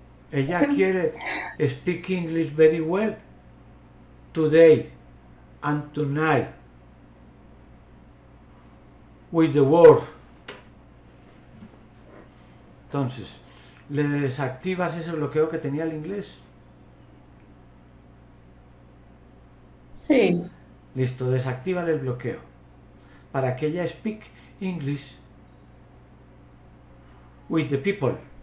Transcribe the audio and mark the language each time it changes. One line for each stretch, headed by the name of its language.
Spanish: Ella quiere
English: speak English very well today and tonight with the world.
Spanish: Entonces, ¿le desactivas ese bloqueo que tenía el inglés? Sí. Listo, desactívale el bloqueo. Para que ella
English: speak English with the people.